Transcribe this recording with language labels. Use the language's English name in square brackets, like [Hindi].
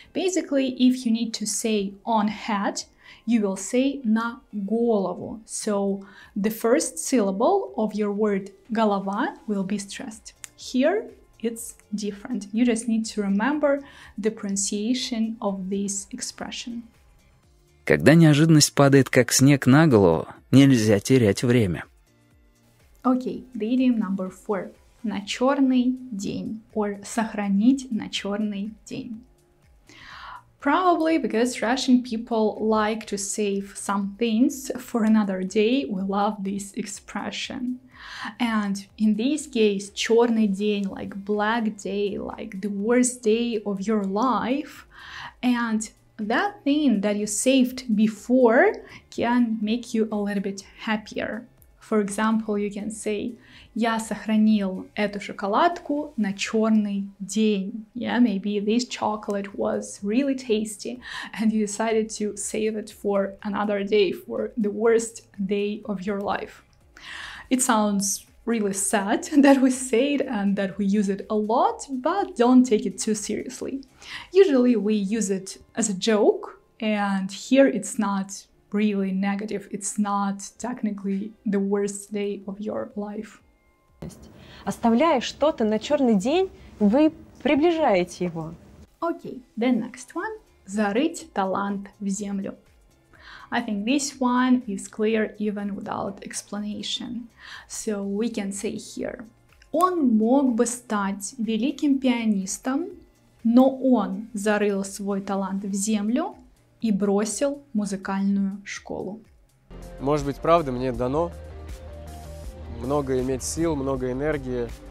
[English] Basically, if you need to say on head, you will say [Russian] на голову. [English] So the first syllable of your word голова will be stressed. Here it's different. You just need to remember the pronunciation of this expression. [Russian] Когда неожиданность падает как снег на голову, нельзя терять время. [English] Okay, the idiom number 4. [Russian] На чёрный день [English] or [Russian] сохранить на чёрный день. [English] Probably because Russian people like to save some things for another day, we love this expression. And in this case, [Russian] чёрный день, [English] like black day, like the worst day of your life. And that thing that you saved before can make you a little bit happier. For example, you can say, [Russian] я сохранил эту шоколадку на чёрный день. [English] Yeah, maybe this chocolate was really tasty and you decided to save it for another day, for the worst day of your life. It sounds really sad that we say it and that we use it a lot, but don't take it too seriously. Usually we use it as a joke, and here it's not really negative. It's not technically the worst day of your life. [Russian] Оставляя что-то на чёрный день, вы приближаете его. [English] Okay, the next one. [Russian] Зарыть талант в землю. [English] I think this one is clear even without explanation. So we can say here. [Russian] Он мог бы стать великим пианистом, но он зарыл свой талант в землю и бросил музыкальную школу. Может быть, правда, мне дано много иметь сил, много энергии.